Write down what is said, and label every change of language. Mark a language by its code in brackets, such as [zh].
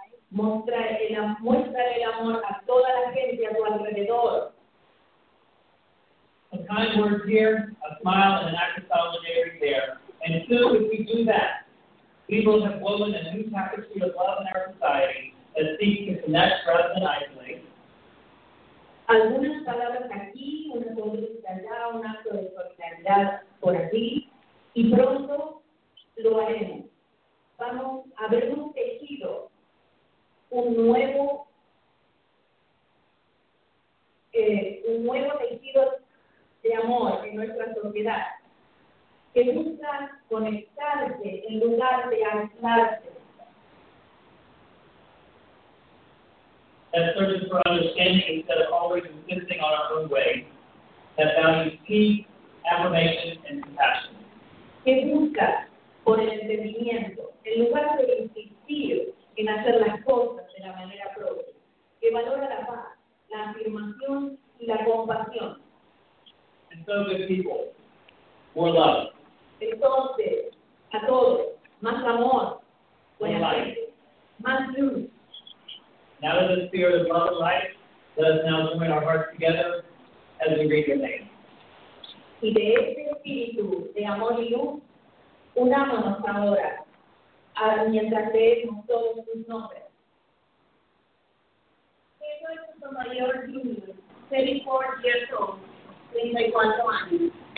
[es] Muestra el amor a toda la gente a tu alrededor. [en] A kind word here, a smile, and an act of solidarity there. And soon, if we do that, we will have woven a new tapestry of love in our society that seeks to connect rather than isolate. [es] Algunas palabras aquí, una conducta allá, un acto de solidaridad por aquí, y pronto lo haremos. Vamos a habernos tejido un nuevo tejido de amor en nuestra sociedad que busca conectarse en lugar de aislarse. [en] That searches for understanding instead of always insisting on our own way. That values peace, affirmation, and compassion. [es] Que busca por el entendimiento, en lugar de insistir en hacer las cosas de la manera propia. Que valora la paz, la afirmación y la compasión. [en] And so good people, more love. [es] Entonces, a todos, más amor, buena [en] life, [es] más luz. [en] Now that the spirit of love and light, let us now join our hearts together as we read your name. [es] Y de este espíritu de amor y luz, unámonos ahora, mientras leemos todos sus nombres. Jesús es nuestro mayor Junior, [en] 34 years old, [es] 34 años.